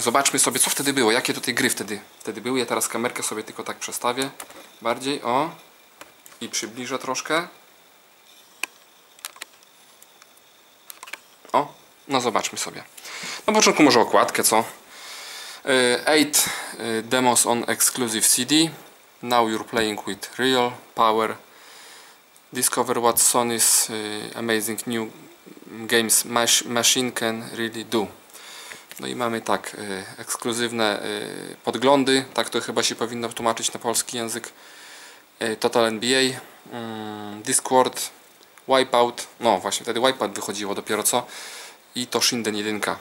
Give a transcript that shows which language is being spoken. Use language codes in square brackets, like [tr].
[pl] Zobaczmy sobie, co wtedy było, jakie tutaj gry wtedy były. Ja teraz kamerkę sobie tylko tak przestawię bardziej, o, i przybliżę troszkę. O, no zobaczmy sobie. Na początku może okładkę, co? [en] 8 demos on exclusive CD. Now you're playing with real power. Discover what Sony's amazing new games machine can really do. [pl] No i mamy tak, ekskluzywne podglądy, tak to chyba się powinno tłumaczyć na polski język. Total NBA, Discord, Wipeout, no właśnie wtedy Wipeout wychodziło dopiero co, i to Shinden 1.